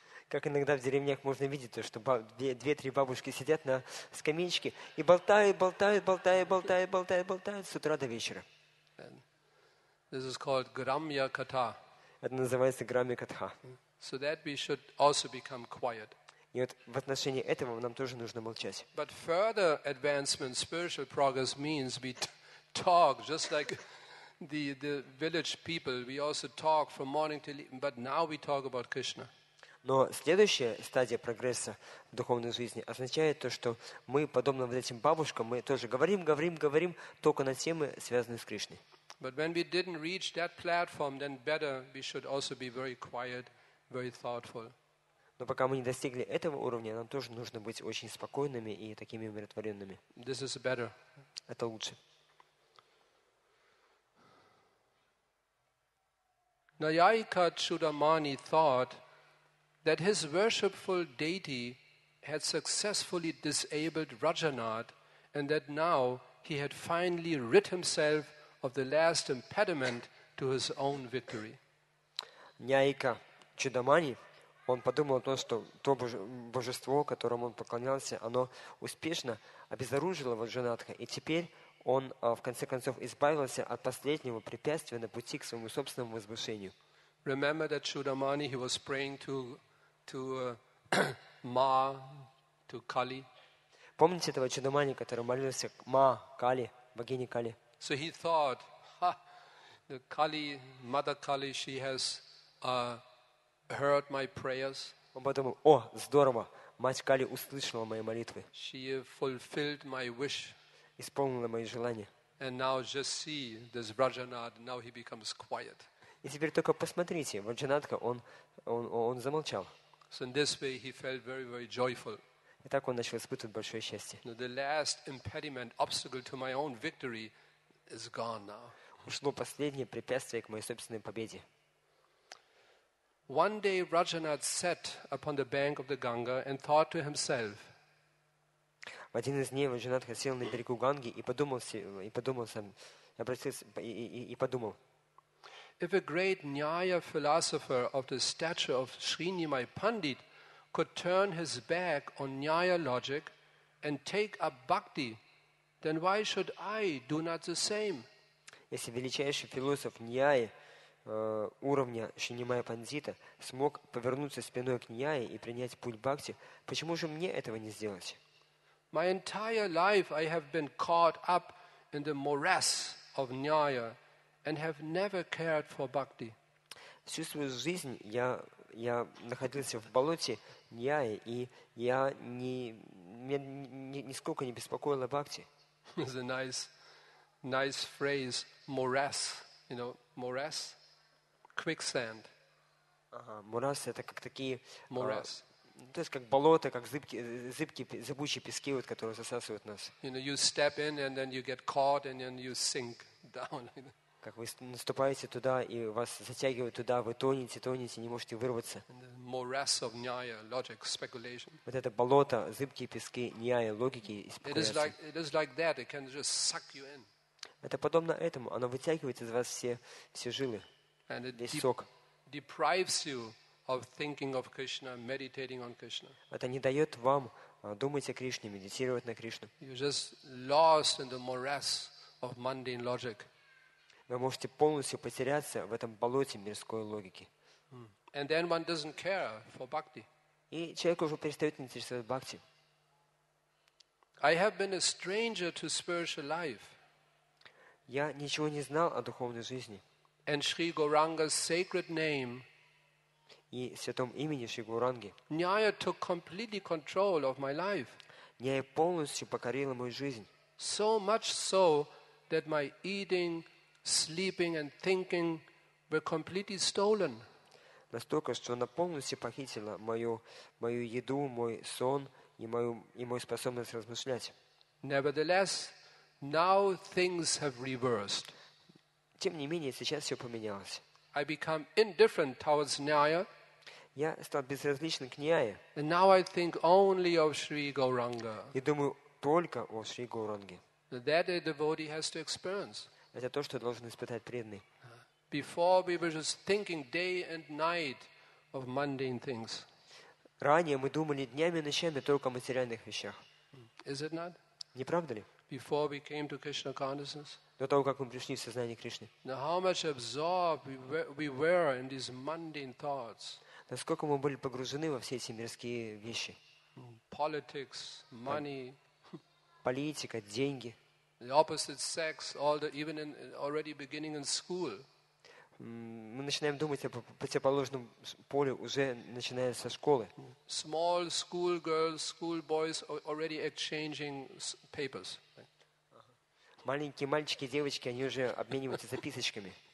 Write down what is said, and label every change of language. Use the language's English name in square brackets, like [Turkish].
[Russian] Как иногда в деревнях можно видеть то, что две-три бабушки сидят на скамеечке и болтают с утра до вечера. [English] This is called грамья ката. [Russian] Это называется грамья катха. [English] So that we should also become quiet. [Russian] И вот в отношении этого нам тоже нужно молчать. [English] But further advancement, spiritual progress means we talk just like the village people. We also talk from morning till evening, but now we talk about Krishna. [Russian] Но следующая стадия прогресса в духовной жизни означает то, что мы подобно вот этим бабушкам, мы тоже говорим, только на темы, связанные с Кришной. [English] But when we didn't reach that platform, then better we should also be very quiet, very thoughtful. [Russian] Но пока мы не достигли этого уровня, нам тоже нужно быть очень спокойными и такими умиротворенными. [English] This is better. [Russian] Это лучше. [English] Nayayika Chudamani thought that his worshipful deity had successfully disabled Rajanath and that now he had finally rid himself of the last impediment to his own victory. [Russian] Nayayika Chudamani, он подумал о том, что то божество, которому он поклонялся, оно успешно обезоружило Раджанатха, и теперь он, в конце концов, избавился от последнего препятствия на пути к своему собственному возвышению. [English] Remember that Chudamani, he was praying to Ma, to Kali. [Russian] Помните этого Чудамани, который молился к Ма, Кали, богине Кали? [English] So he thought, the Kali, Mother Kali, she has heard my prayers. [Russian] Он подумал, о, здорово, мать Кали услышала мои молитвы. [English] She fulfilled my wish. [Russian] Исполнило мои желания. [English] And now just see this Rajanath, now he becomes quiet. [Russian] И теперь только посмотрите, Раджанатха, он замолчал. [English] So in this way he felt very, very joyful. [Russian] И так он начал испытывать большое счастье. [English] Now the last impediment, obstacle to my own victory is gone now. [Russian] Ушло последнее препятствие к моей собственной победе. [English] One day Rajanath sat upon the bank of the Ganga and thought to himself. [Russian] В один из дней Ваджанатха сел на берегу Ганги и подумал. [English] If a great Nyaya philosopher of the stature of Srinimai Pandit could turn his back on Nyaya logic and take up bhakti, then why should I do not the same? [Russian] Если величайший философ Nyaya уровня Шинимая Пандита, смог повернуться спиной к Ньяе и принять путь Бхакти, почему же мне этого не сделать? [English] My entire life I have been caught up in the morass of Nyaya and have never cared for Bhakti. [Russian] Всю свою жизнь я находился в болоте Ньяи, и я нисколько не беспокоила Бхакти. [English] It's a nice phrase, morass. You know, morass, quicksand. [Russian] Морас — это как такие... Морас. То есть как болото, как зыбкие, зыбучие пески, вот, которые засасывают нас. [English] You know, you step in and then you get caught and then you sink down. [Russian] Как вы наступаете туда, и вас затягивают туда, вы тонете, не можете вырваться. [English] Morass of Nyaya, logic, speculation. [Russian] Вот это болото, зыбкие пески, Ньяя, логики и спекуляции. [English] It is like that. It can just suck you in. [Russian] Это подобно этому. Оно вытягивает из вас все жилы, весь сок. [English] Deprives you of thinking of Krishna, meditating on Krishna. [Russian] Это не дает вам думать о Кришне, медитировать на Кришну. [English] You're just lost in the morass of mundane logic. [Russian] Вы можете полностью потеряться в этом болоте мирской логики. [English] And then one doesn't care for bhakti. [Russian] И человек уже перестает интересоваться бхакти. [English] I have been a stranger to spiritual life. [Russian] Я ничего не знал о духовной жизни. [English] And Shri Gauranga's sacred name. [Russian] И святом имени Шри Гауранги. [English] Nyaya took completely control of my life. [Russian] Нияя полностью покорила мою жизнь. [English] So much so that my eating, sleeping and thinking were completely stolen. [Russian] Настолько, что она полностью похитила мою еду, мой сон и мою способность размышлять. [English] Nevertheless, now things have reversed. [Russian] Тем не менее, сейчас все поменялось. [English] I become indifferent towards Nyaya. [Russian] Я стал безразличным к Ньяе. [English] And now I think only of Shri Gauranga. [Russian] И думаю только о Шри Гауранге. [English] That a devotee has to experience. [Russian] Это то, что должен испытать преданный. [English] Before we were just thinking day and night of mundane things. [Russian] Ранее мы думали днями и ночами только о материальных вещах. [English] Is it not? [Russian] Не правда ли? [English] Before we came to Krishna consciousness. [Russian] До того, как мы пришли в сознание Кришны. [English] Now how much absorbed we were in these mundane thoughts. [Russian] Насколько мы были погружены во все эти мирские вещи. [English] Politics, money. [Russian] Политика, деньги. [English] The opposite sex, all the even in already beginning in school. [Russian] Мы начинаем думать о противоположном поле уже начиная со школы. [English] Small school girls, school boys already exchanging papers. [Russian] Маленькие мальчики, девочки, они уже обмениваются записочками.